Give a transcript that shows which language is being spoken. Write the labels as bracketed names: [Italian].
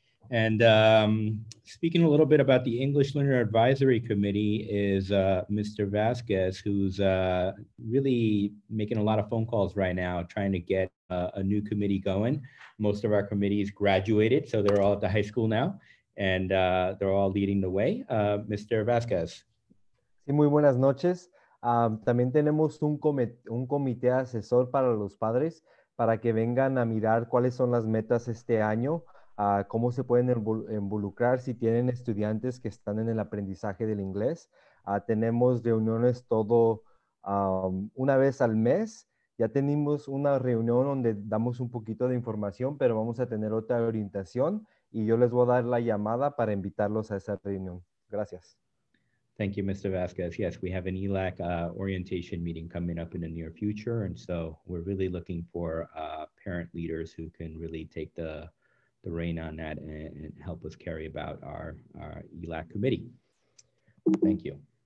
[English] And speaking a little bit about the English Learner Advisory Committee is Mr. Vasquez, who's really making a lot of phone calls right now, trying to get a new committee going. Most of our committees graduated, so they're all at the high school now, and they're all leading the way. Mr. Vasquez. [Spanish] Sí, muy buenas noches. También tenemos un comité asesor para los padres para que vengan a mirar cuáles son las metas este año. Cómo se pueden involucrar si tienen estudiantes que están en el aprendizaje del inglés. Tenemos reuniones todo una vez al mes. Ya tenemos una reunión donde damos un poquito de información, pero vamos a tener otra orientación y yo les voy a dar la llamada para invitarlos a esa reunión. Gracias. [English] Thank you, Mr. Vasquez. Yes, we have an ELAC orientation meeting coming up in the near future, and so we're really looking for parent leaders who can really take the rein on that and help us carry about our ELAC committee. Thank you.